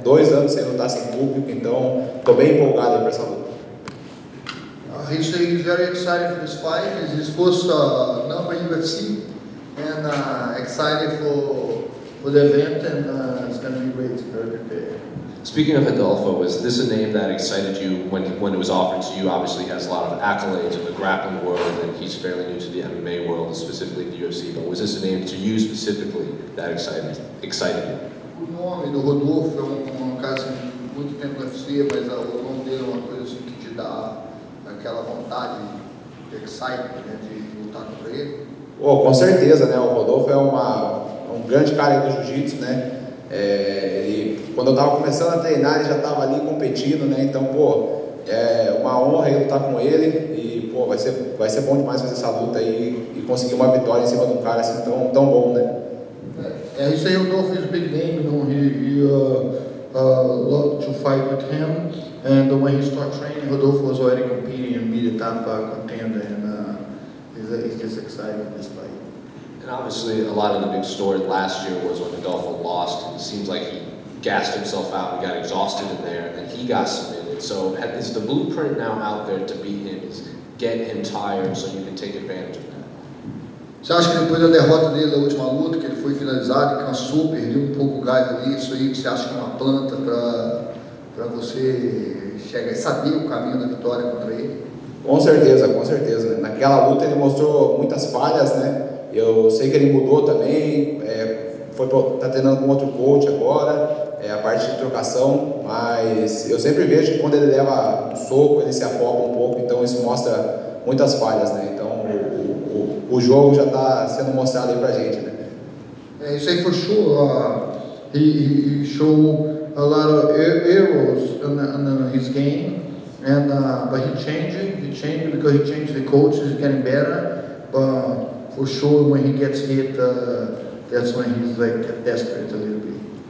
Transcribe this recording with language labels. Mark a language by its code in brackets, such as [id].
[pt] Dois anos sem lutar sem público, então tô bem empolgado para essa luta. [en] He said he's very excited for this fight. It's his first number UFC, and excited for the event, and it's going to be great. Speaking of Adolfo, was this a name that excited you when it was offered to you? Obviously, he has a lot of accolades in the grappling world, and he's fairly new to the MMA world, specifically the UFC. But was this a name to you specifically that excited you? [pt] O nome do Rodolfo é um caso muito tempo no UFC, mas o nome dele é uma coisa assim que te dá aquela vontade de excitement, né, de lutar contra ele. Oh, com certeza, né? O Rodolfo é um grande cara do jiu-jitsu, né? Ele, quando eu estava começando a treinar, ele já estava ali competindo, né? Então, pô, é uma honra eu estar com ele e, pô, vai ser bom demais fazer essa luta aí e conseguir uma vitória em cima de um cara assim tão bom, né? Isso aí, o Rodolfo é um [en] big name, [pt] então [en] love to fight with him. And when he started training, Rodolfo was already competing in mid Tampa contender, and he's just excited at this fight. And obviously, a lot of the big story last year was when Rodolfo lost. It seems like he gassed himself out and got exhausted in there, and he got submitted. So, is the blueprint now out there to beat him? Is get him tired so you can take advantage of that? [pt] Você acha que depois da derrota dele na última luta, que ele foi finalizado e cansou, perdeu um pouco o gás ali, isso aí você acha que é uma planta para você chegar e saber o caminho da vitória contra ele? Com certeza, com certeza. Naquela luta ele mostrou muitas falhas, né? Eu sei que ele mudou também, tá treinando com outro coach agora, a parte de trocação, mas eu sempre vejo que quando ele leva um soco, ele se afoga um pouco, então isso mostra muitas falhas, né? Então o jogo já está sendo mostrado aí pra gente, né? Isso aí foi show. [en] He showed a lot of errors in his game, and but he changed because he changed the coach, he's getting better. But for sure, when he gets hit, that's when he's like desperate a little bit.